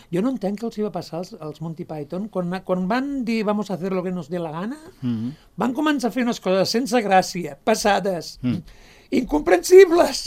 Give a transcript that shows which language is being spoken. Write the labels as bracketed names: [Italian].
[Catalan] Jo no entenc què els va passar als Monty Python. Quan van dir [Spanish] vamos a hacer lo que nos dé la gana, mm-hmm, [Catalan] van començar a fer unes coses sense gràcia, passades, incomprensibles.